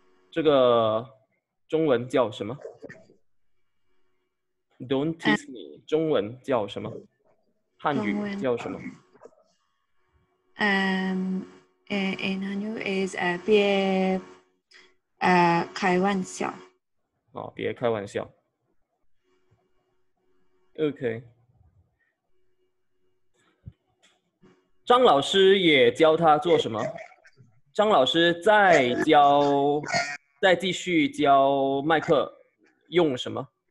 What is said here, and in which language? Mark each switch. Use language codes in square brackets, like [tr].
[zh] 这个中文叫什么 ？ [en] Don't tease me。 [zh] 中文叫什么？汉语叫什么？ [en] In Hanyu is [zh] 别开玩笑。哦，别开玩笑。 OK， 张老师也教他做什么？张老师再教，再继续教麦克用什么？